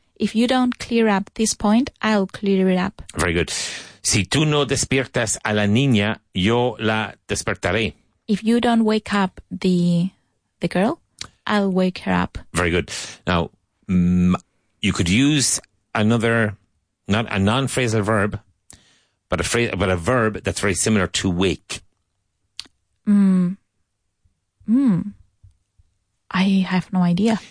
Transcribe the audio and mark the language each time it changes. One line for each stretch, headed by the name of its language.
English: If you don't clear up this point, I'll clear it up. Very good.
Spanish: Si tú no despiertas a la niña, yo la despertaré.
English: If you don't wake up the girl, I'll wake her up. Very good. Now, you could use another, not a non-phrasal verb, but a verb that's very similar to wake. I have no idea.